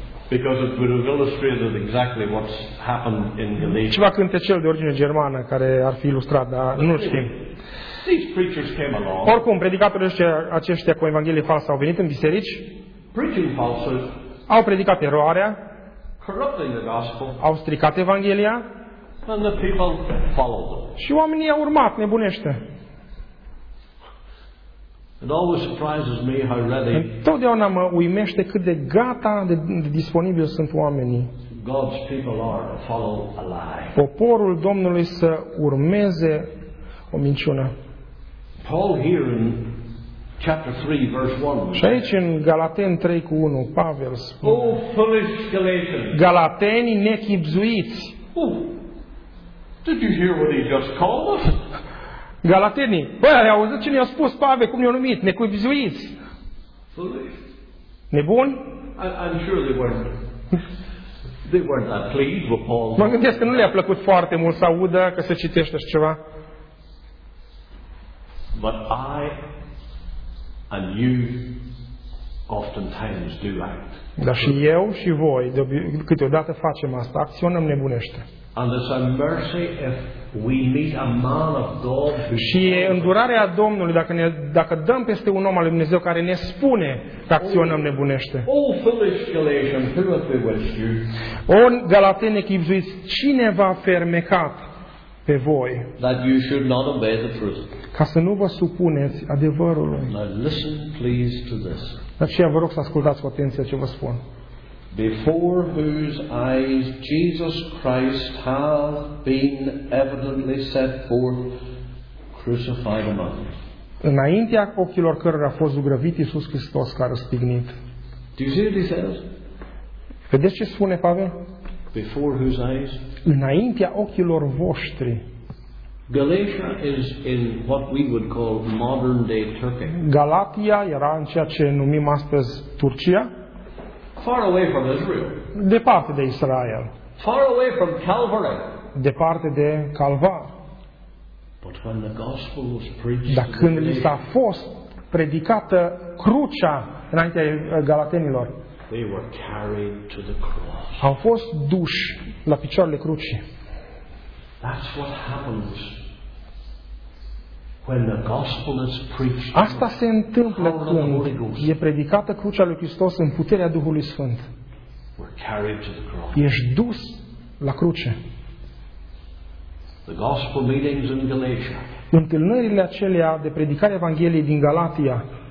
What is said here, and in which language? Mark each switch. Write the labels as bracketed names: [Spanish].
[English] Because it would have illustrated exactly what's happened in Galatia. [Romanian] Ceva cântecel de origine germană care ar fi ilustrat, dar nu știm. [English] These preachers came along. [Romanian] Oricum, predicatorii aceștia cu Evanghelie falsă au venit în biserici. [English] Preaching falsely. [Romanian] Au predicat eroarea. [English] Corrupting the gospel. [Romanian] Au stricat Evanghelia. [English] And the people followed them. [Romanian] Și oamenii au urmat, nebunește. [English] It always surprises me how ready. [Romanian] Întotdeauna mă uimește cât de gata, de disponibil sunt oamenii. [English] God's people are to follow a lie. [Romanian] Poporul Domnului să urmeze o minciună. [English] Paul here in chapter 3 verse 1. [Romanian] Și aici în Galateni 3 cu 1, Pavel spune: [English] Oh, foolish Galatians. [Romanian] Galateni nechibzuiți. [English] Did you hear what he just called us? [Romanian] Galatenii, băi, ai auzit ce ne-a spus Pavel, cum ne-a numit, necuibzuiți? Nebuni? [English] I'm sure they weren't that pleased with Paul. [Romanian] Mă gândesc că nu le-a plăcut foarte mult să audă că se citește așa ceva. [English] But I and you oftentimes do act. [Romanian] Dar și eu și voi, câteodată facem asta, acționăm nebunește. [English] And it's a mercy if we meet a man of God. [Romanian] Și e îndurarea Domnului dacă dăm peste un om al lui Dumnezeu care ne spune că acționăm nebunește. [English] Oh, foolish Galatian, who hath bewitched you? [Romanian] O Galateni nechibzuiți, cine v-a fermecat pe voi? [English] That you should not obey the truth. [Romanian] Ca să nu vă supuneți adevărului. [English] Now listen please to this. [Romanian] Aceea vă rog să ascultați cu atenție ce vă spun. [English] Before whose eyes Jesus Christ hath been evidently set forth crucified among us. [Romanian] Înaintea ochilor cărora a fost zugrăvit Iisus Hristos ca răstignit. [English] Do you see what he says? [Romanian] Vedeți ce spune Pavel? [English] Before whose eyes? [Romanian] Înaintea ochilor voștri. [English] Galatia is in what we would call modern day Turkey. [Romanian] Galatia era în ceea ce numim astăzi Turcia. [English] Far away from Israel. [Romanian] Departe de Israel. [English] Far away from Calvary. [Romanian] Departe de Calvar. [English] But when the gospel was preached. [Romanian] Dar când li s-a fost predicată crucea înaintea galatenilor. [English] They were carried to the cross. [Romanian] Au fost duși la picioarele crucii. [English] That's what happens when the gospel is preached. [Romanian] Asta se întâmplă când e predicată crucea lui Hristos în puterea Duhului Sfânt. [English] We're carried to the cross. [Romanian] Ești dus la cruce. [English] The gospel meetings in Galatia. [Romanian] Întâlnirile acelea de predicare a Evangheliei din Galatia